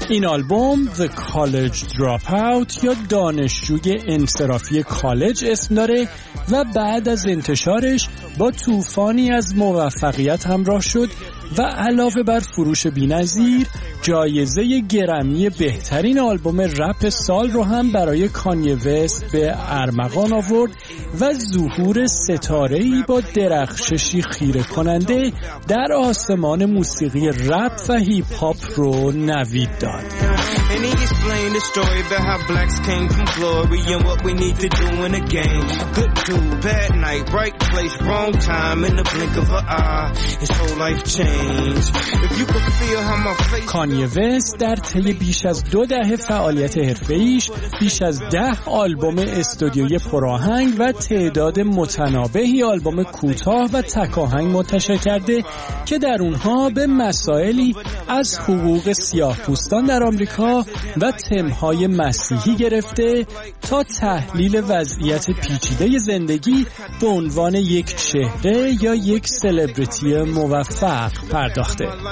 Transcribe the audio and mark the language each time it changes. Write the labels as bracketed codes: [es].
[fa] این آلبوم The College Dropout یا دانشجوی انصرافی کالج اسم داره و بعد از انتشارش با طوفانی از موفقیت همراه شد و علاوه بر فروش بی‌نظیر جایزه گرمی بهترین آلبوم رپ سال رو هم برای کانیه وست به ارمغان آورد و ظهور ستاره‌ای با درخششی خیره کننده در آسمان موسیقی رپ و هیپ هاپ رو نوید داد. [en] And he explained the story about how blacks came from glory and what we need to do in a game. Good dude, bad night, right place, wrong time, in the blink of an eye, his whole life changed. If you could feel how my face... [fa] کانیه وست در طی بیش از دو دهه فعالیت حرفه‌ایش بیش از 10 آلبوم استودیویی پرآهنگ و تعداد متنابهی آلبوم کوتاه و تکاهنگ منتشر کرده که در اونها به مسائلی از حقوق سیاه‌پوستان در آمریکا و تم‌های مسیحی گرفته تا تحلیل وضعیت پیچیده زندگی به عنوان یک چهره یا یک سلبریتی موفق پرداخته.